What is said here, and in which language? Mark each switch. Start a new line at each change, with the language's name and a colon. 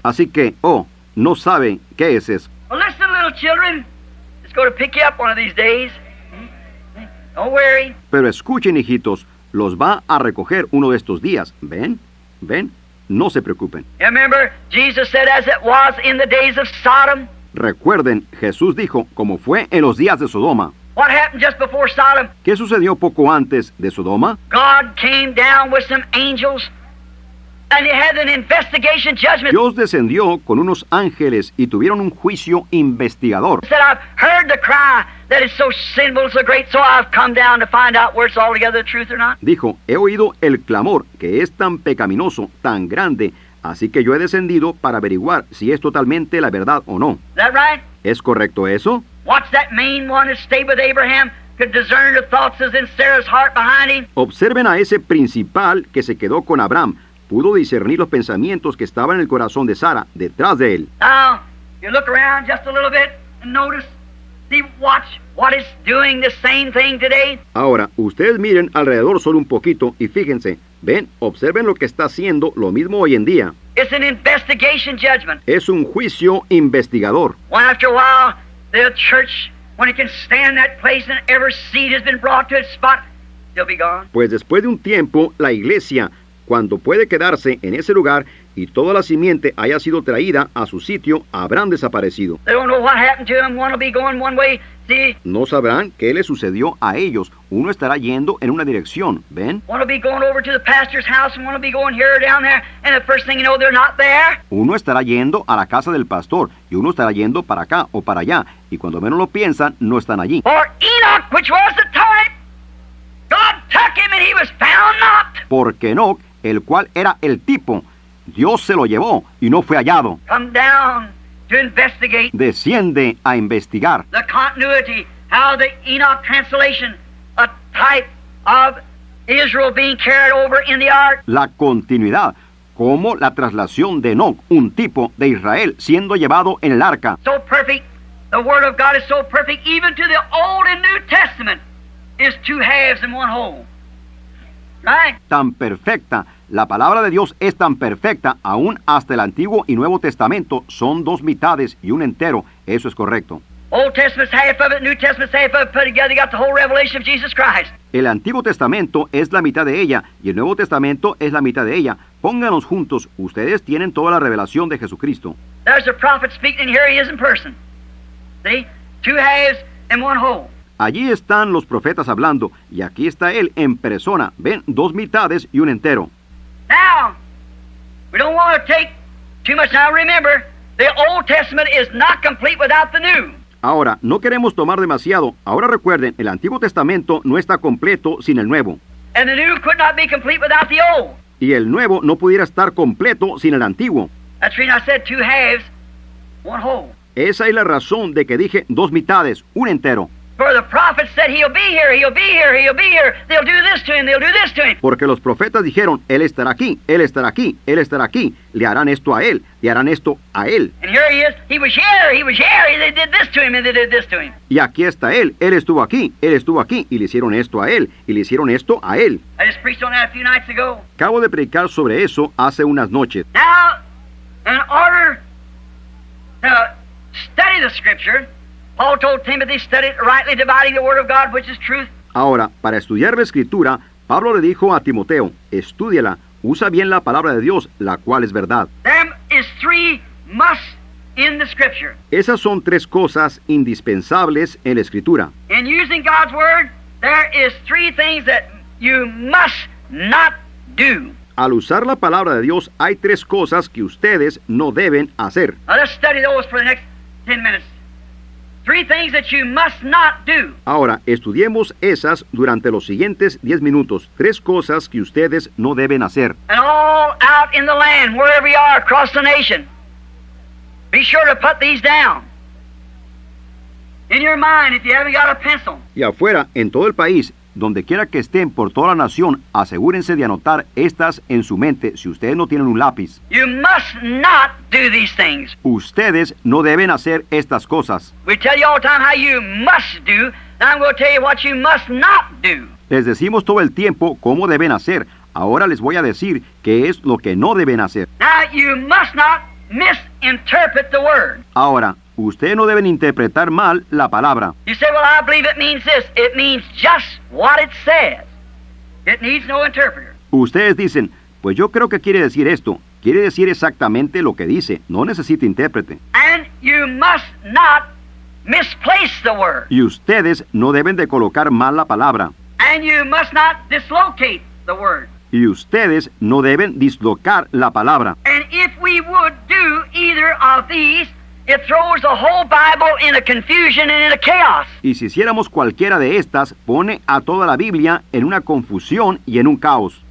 Spanish: Así que, oh, no saben qué es eso.
English: Well, listen, little children, it's going to pick you up one of these days. Don't worry.
Spanish: Pero escuchen, hijitos. Los va a recoger uno de estos días. ¿Ven? ¿Ven? No se preocupen.
English: Remember, Jesus said, as it was in the days of Sodom.
Spanish: Recuerden, Jesús dijo, como fue en los días de Sodoma.
English: What happened just before Sodom?
Spanish: ¿Qué sucedió poco antes de Sodoma?
English: God came down with some angels, and he had an investigation judgment.
Spanish: Dios descendió con unos ángeles y tuvieron un juicio investigador.
English: He said, I've heard the cry. That is so sinful, so great, so I've come down to find out where it's altogether the truth or not.
Spanish: Dijo, he oído el clamor que es tan pecaminoso, tan grande, así que yo he descendido para averiguar si es totalmente la verdad o no.
English: Is that right?
Spanish: ¿Es correcto eso?
English: Watch that main one who stayed with Abraham, could discern the thoughts that's in Sarah's heart behind him.
Spanish: Observen a ese principal que se quedó con Abraham, pudo discernir los pensamientos que estaban en el corazón de Sara detrás de él.
English: Now, you look around just a little bit and notice. See, watch what it's doing, the same thing today.
Spanish: Ahora, ustedes miren alrededor solo un poquito y fíjense. Ven, observen lo que está haciendo lo mismo hoy en día.
English: It's an investigation judgment.
Spanish: Es un juicio investigador.
English: One after a while, the church, when it can stand that place and every seed has been brought to its spot, they'll be gone.
Spanish: Pues después de un tiempo, la iglesia, cuando puede quedarse en ese lugar y toda la simiente haya sido traída a su sitio, habrán desaparecido.
English: They don't know what happened to them. One will be going one way. See?
Spanish: No sabrán qué le sucedió a ellos. Uno estará yendo en una dirección. ¿Ven?
English: One will be going over to the pastor's house and one will be going here or down there. And the first thing you know, they're not there.
Spanish: Uno estará yendo a la casa del pastor y uno estará yendo para acá o para allá. Y cuando menos lo piensan, no están allí.
English: Or Enoch, which was the type, God took him and he was found not.
Spanish: Porque Enoch, el cual era el tipo, Dios se lo llevó y no fue hallado.
English: Come down to investigate.
Spanish: Desciende a investigar.
English: The continuity, how the Enoch translation, a type of Israel being carried over in the ark.
Spanish: La continuidad, como la traslación de Enoch, un tipo de Israel siendo llevado en el arca.
English: So perfect, the word of God is so perfect, even to the Old and New Testament is two halves and one whole. Right.
Spanish: Tan perfecta, la palabra de Dios es tan perfecta, aún hasta el Antiguo y Nuevo Testamento son dos mitades y un entero. Eso es correcto.
English: Old Testament's half of it, New Testament's half of it, put together, you got the whole revelation of Jesus Christ.
Spanish: El Antiguo Testamento es la mitad de ella, y el Nuevo Testamento es la mitad de ella. Pónganos juntos, ustedes tienen toda la revelación de Jesucristo.
English: There's a prophet speaking, and here he is in person. See? Two halves and one whole.
Spanish: Allí están los profetas hablando, y aquí está él en persona. Ven, dos mitades y un entero.
English: Now, we don't want to take too much time. Remember, the Old Testament is not complete without the New.
Spanish: Ahora, no queremos tomar demasiado. Ahora recuerden, el Antiguo Testamento no está completo sin el Nuevo.
English: And the New could not be complete without the Old.
Spanish: Y el Nuevo no pudiera estar completo sin el Antiguo.
English: That's why I said two halves, one whole.
Spanish: Esa es la razón de que dije dos mitades, un entero.
English: For the prophet said he'll be here, he'll be here, he'll be here. They'll do this to him, they'll do this to him.
Spanish: Porque los profetas dijeron, él estará aquí, él estará aquí, él estará aquí. Le harán esto a él, le harán esto a él.
English: And here he is. He was here, he was here. They did this to him and they did this to him.
Spanish: Y aquí está él. Él estuvo aquí y le hicieron esto a él y le hicieron esto a él.
English: I just preached on that a few nights ago.
Spanish: Acabo de predicar sobre eso hace unas noches.
English: Now, in order to study the scripture. Paul told Timothy, study it, rightly dividing the word of God, which is truth.
Spanish: Ahora, para estudiar la escritura, Pablo le dijo a Timoteo, estúdiala, usa bien la palabra de Dios, la cual es verdad.
English: There is three must in the scripture.
Spanish: Esas son tres cosas indispensables en la escritura.
English: In using God's word, there is three things that you must not do.
Spanish: Al usar la palabra de Dios, hay tres cosas que ustedes no deben hacer.
English: Now, let's study those for the next 10 minutes. Three things that you must not do.
Spanish: Ahora, estudiemos esas durante los siguientes 10 minutos. Tres cosas que ustedes no deben hacer.
English: And all out in the land, wherever you are, across the nation, be sure to put these down. In your mind, if you haven't got a pencil.
Spanish: Y afuera, en todo el país, donde quiera que estén por toda la nación, asegúrense de anotar estas en su mente si ustedes no tienen un lápiz.
English: You must not do these things.
Spanish: Ustedes no deben hacer estas cosas.
English: We tell you all the time how you must do. Now I'm going to tell you what you must not do.
Spanish: Les decimos todo el tiempo cómo deben hacer. Ahora les voy a decir qué es lo que no deben hacer.
English: Now you must not misinterpret the word.
Spanish: Ahora, ustedes no deben interpretar mal la palabra.
English: You say, well, I believe it means this. It means just what it says. It needs no interpreter.
Spanish: Ustedes dicen, pues yo creo que quiere decir esto. Quiere decir exactamente lo que dice. No necesita intérprete.
English: And you must not misplace the word.
Spanish: Y ustedes no deben de colocar mal la palabra.
English: And you must not dislocate the word.
Spanish: Y ustedes no deben dislocar la palabra.
English: And if we would do either of these, it throws the whole Bible in a confusion and in a chaos.
Spanish: Y si hiciéramos cualquiera de estas, pone a toda la Biblia en una confusión y en un caos.